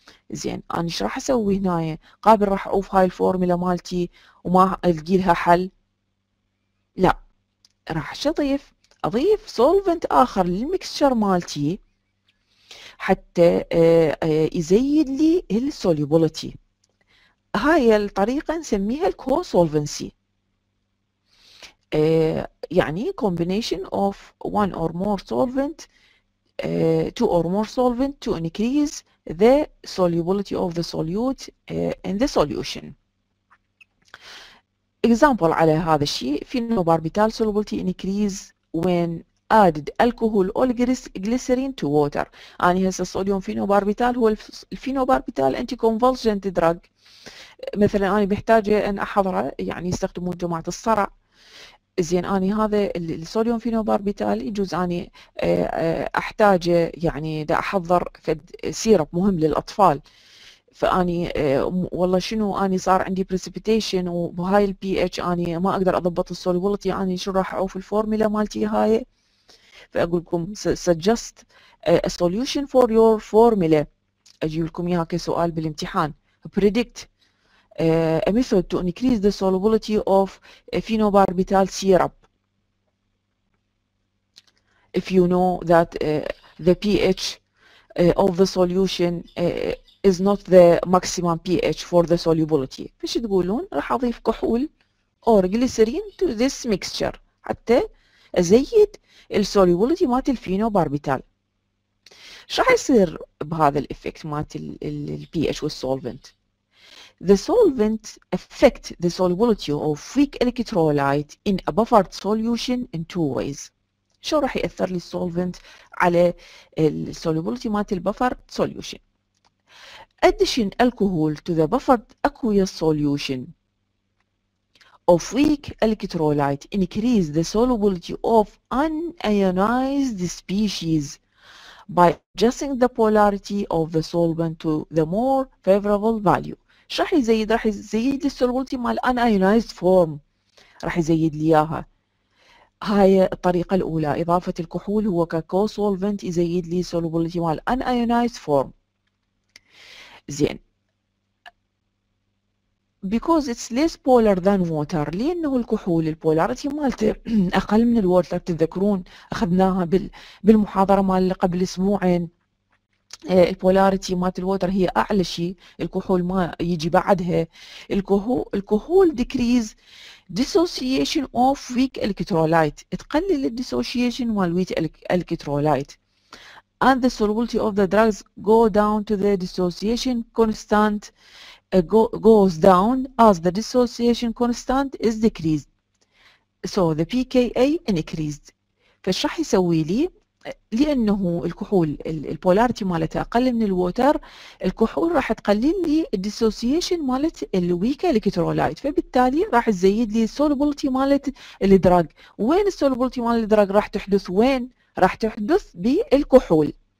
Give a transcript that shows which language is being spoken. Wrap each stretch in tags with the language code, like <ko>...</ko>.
<ar>زين انا ايش راح اسوي هنا؟ قابل راح اوف هاي الفورمولا مالتي وما القي لها حل؟ لا، راح اضيف سولفنت اخر للميكسشر مالتي حتى يزيد لي السوليبلتي. هاي الطريقة نسميها الكوسولفنسي، يعني</ar> <en>combination of one or more solvent two or more solvent to increase the solubility of the solute in the solution. Example</en> <ar>على هذا الشيء</ar> <en>phenobarbital solubility increase when added alcohol or glycerin to water.</en> <ar>يعني هسه الصوديوم فينوباربيتال هو الفينوباربيتال انتي كونفولجنت دراج، مثلا انا بحتاج ان احضره، يعني يستخدمون جماعه الصرع. زين اني هذا الصوديوم فينوباربيتال يجوز اني احتاجه، يعني دا احضر فد سيرب مهم للاطفال، فاني والله شنو اني صار عندي بريسيبيتيشن وبهاي البي اتش اني ما اقدر اضبط السولوبلتي، يعني شو راح اعوف الفورمولا مالتي هاي؟ فأقول لكم</ar> <en>suggest a solution for your formula،</en> <ar>أجيب لكم إياها كسؤال بالامتحان.</ar> <en>Predict a method to increase the solubility of phenobarbital syrup. if you know that the pH of the solution is not the maximum pH for the solubility.</en> <ar>فش تقولون؟ راح أضيف كحول</ar> <en>or glycerin to this mixture</en> <ar>حتى أزيد ال solubility مات الفينوباربيتال. شو راح يصير بهذا الإفكت مات ال pH وال solvent؟</ar> <en>The solvent affects the solubility of weak electrolyte in a buffered solution in two ways.</en> <ar>شو راح يأثر لي solvent على ال solubility مات ال buffered solution؟</ar> <en>Addition alcohol to the buffered aqueous solution of weak electrolyte increase the solubility of unionized species by adjusting the polarity of the solvent to the more favorable value.</en> <ar>شو راح يزيد؟ راح يزيد لي solubility مال unionized form. راح يزيد لي اياها. هاي الطريقة الأولى، إضافة الكحول هو كو solvent يزيد لي solubility مال unionized form. زين.</ar> <en>Because it's less polar than water.</en> <ar>لأنه الكحول البولاريتي مالته أقل من الووتر، تتذكرون أخذناها بالمحاضرة مال قبل أسبوعين. البولاريتي مالت الووتر هي أعلى شيء، الكحول ما يجي بعدها. الكحول ديكريز ديسوسيشن أوف ويك الكترولايت، تقلل الديسوسيشن مال ويك الكترولايت.</ar> <en>And the solubility of the drugs go down to the dissociation constant goes down as the dissociation constant is decreased. So the pKa increased.</en> <ar>فش راح يسوي لي؟ لأنه الكحول البولاريتي مالته أقل من الووتر، الكحول راح تقلل لي الديسوسيشن مالت الويك الكترولايت، فبالتالي راح تزيد لي solubility مالت الدراج. وين solubility مال الدراج راح تحدث؟ وين؟ راح تحدث بالكحول.</ar>